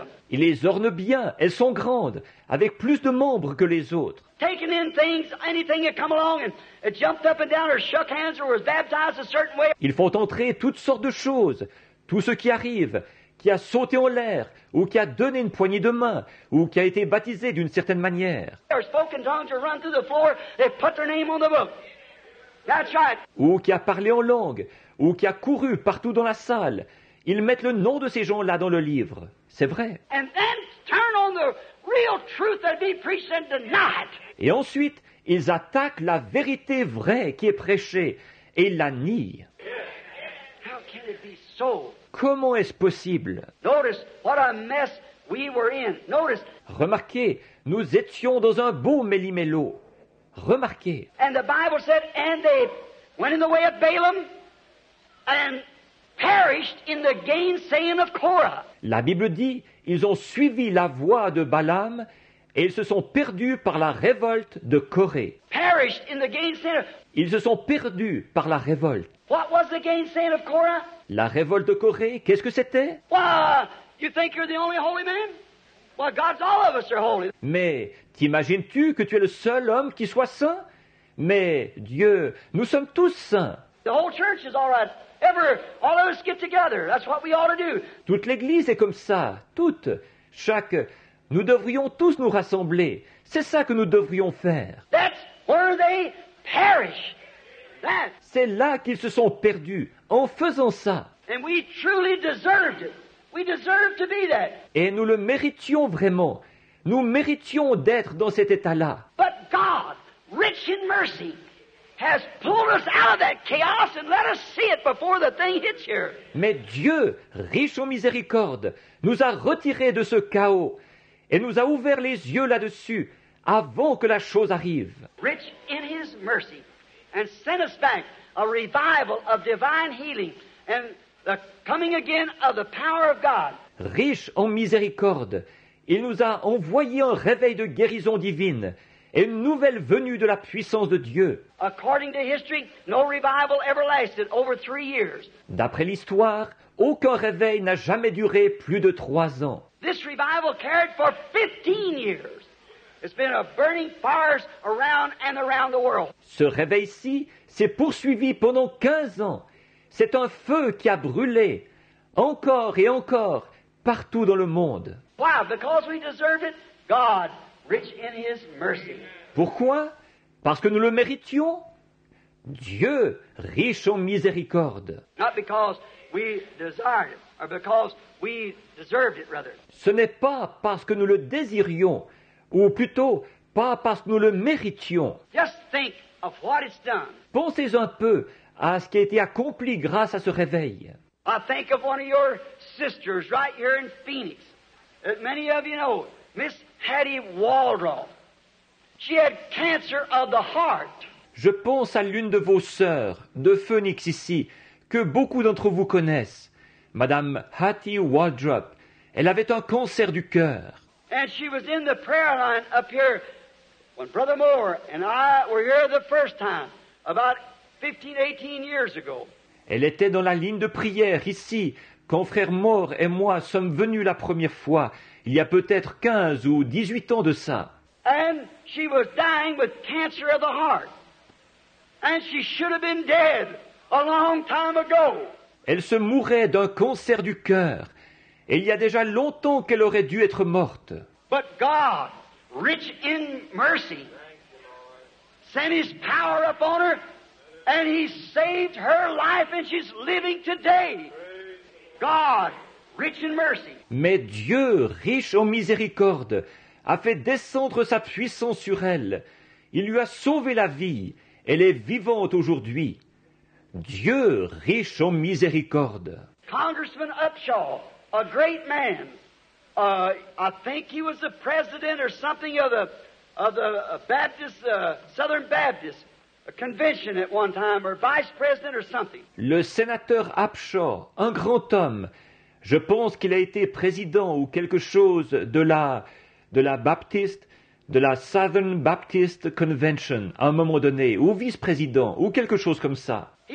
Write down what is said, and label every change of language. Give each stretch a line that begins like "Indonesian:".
French: Ils les ornent bien, elles sont grandes, avec plus de membres que les autres.
English: Taking in things, anything that come along and jumped up and down or shook hands or was baptized a certain way.
French: Ils font entrer toutes sortes de choses, tout ce qui arrive, qui a sauté en l'air, ou qui a donné une poignée de main, ou qui a été baptisé d'une certaine manière.
English: Or spoken tongues or run through the floor, they put their name on the book. That's right.
French: Ou qui a parlé en langue, ou qui a couru partout dans la salle. Ils mettent le nom de ces gens-là dans le livre. C'est vrai.
English: And then turn on the real truth that be preached and denied.
French: Et ensuite, ils attaquent la vérité vraie qui est prêchée et la nient.
English: How can it be so?
French: Comment est-ce possible?
English: Notice what a mess we were in. Notice.
French: Remarquez, nous étions dans un beau méli-mélo. Remarquez.
English: And the Bible said, and they went in the way of Balaam and perished in the gainsaying of Korah.
French: La Bible dit, ils ont suivi la voie de Balaam et ils se sont perdus par la révolte de Corée.
English: Perished in the gainsaying of...
French: Ils se sont perdus par la révolte.
English: What was the gainsaying of Korah?
French: La révolte de Corée, qu'est-ce que c'était?
English: Well, you think you're the only holy man? Well, God's all of us are holy.
French: Mais t'imagines-tu que tu es le seul homme qui soit saint? Mais Dieu, nous sommes tous saints.
English: The whole church is all right. All of us get together. That's what we ought to do.
French: Toute l'église est comme ça. Toute, chaque, nous devrions tous nous rassembler. C'est ça que nous devrions faire.
English: That's where they perish.
French: C'est là qu'ils se sont perdus en faisant ça.
English: And we truly deserved it. We deserve to be that.
French: Et nous le méritions vraiment. Nous méritions d'être dans cet état-là.
English: But God, rich in mercy, has pulled us out of that chaos and let us see it before the thing hits here.
French: Mais Dieu, riche en miséricorde, nous a retirés de ce chaos et nous a ouvert les yeux là-dessus avant que la chose arrive.
English: Rich in his mercy and sent us back a revival of divine healing and the coming again of the power of God.
French: Riche en miséricorde, il nous a envoyé un réveil de guérison divine et une nouvelle venue de la puissance de Dieu.
English: According to history, no revival ever lasted over 3 years.
French: D'après l'histoire, aucun réveil n'a jamais duré plus de 3 ans.
English: This revival carried for 15 years. It's been a burning fires around and around the world.
French: Ce réveil-ci s'est poursuivi pendant 15 ans. C'est un feu qui a brûlé encore et encore partout dans le monde. Why? Because we deserve it, God. Rich in his mercy. Pourquoi? Parce que nous le méritions? Dieu, riche en miséricorde.
English: Not because we desired it, or because we deserved it, rather.
French: Ce n'est pas parce que nous le désirions, ou plutôt, pas parce que nous le méritions.
English: Just think of what it's done.
French: Pensez un peu à ce qui a été accompli grâce à ce réveil.
English: I think of one of your sisters right here in Phoenix. That many of you know, Miss Hattie Waldron. She had cancer of the heart.
French: Je pense à l'une de vos sœurs de Phoenix ici, que beaucoup d'entre vous connaissent, Madame Hattie Waldron. Elle avait un cancer du cœur.
English: And she was in the prayer line up here when Brother Moore and I were here the first time, about 15-18 years ago.
French: Elle était dans la ligne de prière ici quand Frère Moore et moi sommes venus la première fois. Il y a peut-être 15 ou 18 ans de ça.
English: And she was dying with cancer of the heart. And she should have been dead a long time ago.
French: Elle se mourait d'un cancer du cœur. Et il y a déjà longtemps qu'elle aurait dû être morte.
English: But God, rich in mercy, sent his power upon her and he saved her life and she's living today. God, rich in mercy.
French: Mais Dieu, riche en miséricorde, a fait descendre sa puissance sur elle. Il lui a sauvé la vie. Elle est vivante aujourd'hui. Dieu, riche en miséricorde.
English: Congressman Upshaw, a great man. I think he was the president or something of the Baptist, Southern Baptist Convention at one time, or vice president or something.
French: Le sénateur Upshaw, un grand homme. Je pense qu'il a été président ou quelque chose de la Baptiste, de la Southern Baptist Convention à un moment donné, ou vice-président, ou quelque chose comme ça.